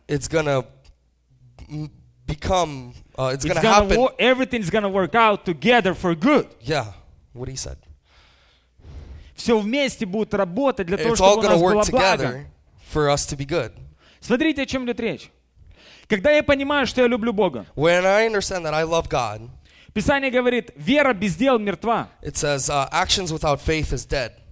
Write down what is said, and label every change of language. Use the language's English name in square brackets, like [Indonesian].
[English] It's gonna become, Everything's gonna work out together for good. Yeah, what he said. [Russian] Все вместе будет работать для того, чтобы у нас было благо. [English] For us to be good. [Russian] Смотрите, о чем идет речь. Когда я понимаю, что я люблю Бога. [English] When I understand that I love God. [Russian] Писание говорит, вера без дел мертва. [English] It says, actions without faith is dead.